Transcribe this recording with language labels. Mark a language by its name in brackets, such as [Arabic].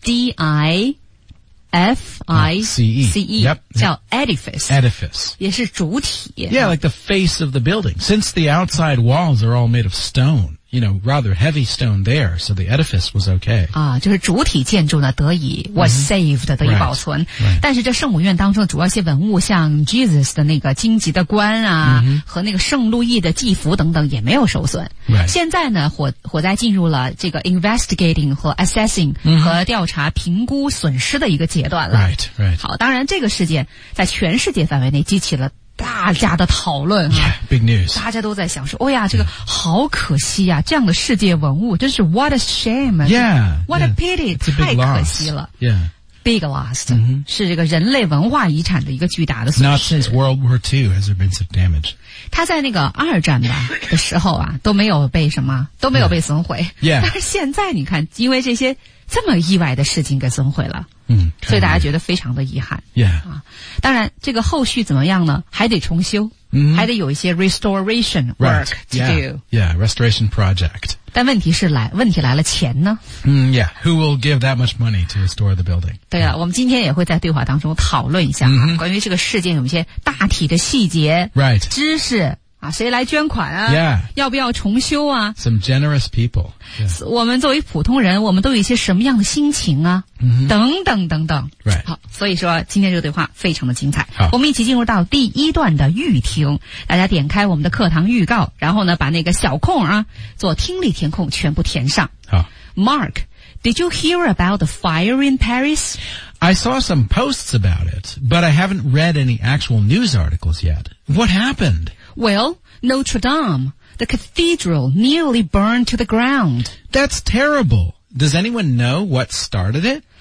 [Chinese] E-D-IF-I-C-E 叫 edifice 也是主体 [English] Yeah, like the face of the building Since the outside walls are all made of stone you know, rather heavy stone there, so the edifice was okay. [Chinese] 啊，就是主体建筑呢得以 [English] was saved [Chinese] 得以保存。 [English] Right, right. [Chinese] 但是这圣母院当中的主要一些文物，像 Jesus 的那个荆棘的冠啊， mm-hmm. 和那个圣路易的祭服等等，也没有受损。 [English] Right. [Chinese] 现在呢，火灾进入了这个 investigating 和 assessing、 mm-hmm. 和调查评估损失的一个阶段了。 [English] Right, right. [Chinese] 好，当然这个事件在全世界范围内激起了。大家的讨论啊、 [English] yeah,，big news， [Chinese] 大家都在想说，哦呀，这个好可惜呀、啊，这样的世界文物真是 [English] what a shame， yeah， what a pity， yeah, [Chinese] 太可惜了， [English] yeah， big loss，、 mm-hmm. [Chinese] 是这个人类文化遗产的一个巨大的损失。 [English] Not since World War II has there been such damage。 [Chinese] 他在那个二战吧的时候啊，都没有被什么，都没有被损毁， [English] yeah. Yeah. [Chinese] 但是现在你看，因为这些这么意外的事情给损毁了。嗯，所以大家觉得非常的遗憾。 [English] Yeah. [Chinese] 啊、当然这个后续怎么样呢还得重修、 mm-hmm. 还得有一些 [English] restoration work to yeah, do. Yeah, restoration project. [Chinese] 但问题来了钱呢、 [English] yeah, who will give that much money to restore the building? [Chinese] 对啊、 [English] yeah. [Chinese] 我们今天也会在对话当中讨论一下、啊 mm-hmm. 关于这个事件有一些大体的细节、 [English] right. [Chinese] 知识。啊，谁来捐款啊？ [English] Yeah. [Chinese] 要不要重修啊？ [English] Some generous people.、Yeah. [Chinese] 我们作为普通人，我们都有一些什么样的心情啊？ Mm-hmm. 等等等等。 [English] Right. [Chinese] 好，所以说今天这个对话非常的精彩。好，我们一起进入到第一段的预听，大家点开我们的课堂预告，然后呢把那个小空啊做听力填空全部填上。好 [English] ，Mark, did you hear about the fire in Paris? I saw some posts about it, but I haven't read any actual news articles yet. What happened? Well, Notre Dame, the cathedral nearly burned to the ground. That's terrible. Does anyone know what started it?